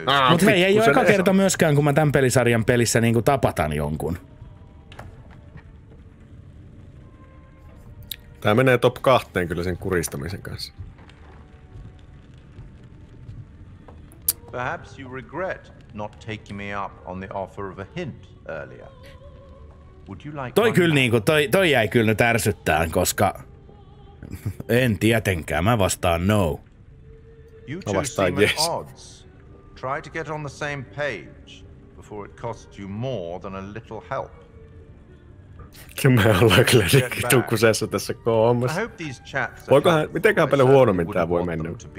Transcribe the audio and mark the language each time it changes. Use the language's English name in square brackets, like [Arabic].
[Finnish] Mut hei, ei joka kerta myöskään kun mä tämän pelisarjan pelissä niinku tapatan jonkun. Tää menee top 2 kyllä sen kuristamisen kanssa. [English] Perhaps you regret not taking me up on the offer of a hint earlier. Would you like [Finnish] toi kyllä niinku toi jäi kyllä nyt ärsyttään, koska en tietenkään, mä vastaan no. [English] You [Finnish] mä vastaan [English] yes. Odds. Try to get on the same page before it costs you more than a little help. [Finnish] Kyllä me ollaan kyllä niinkin tukkusessa tässä koomassa. Voikohan, mitenkään paljon huonommin tää voi mennä?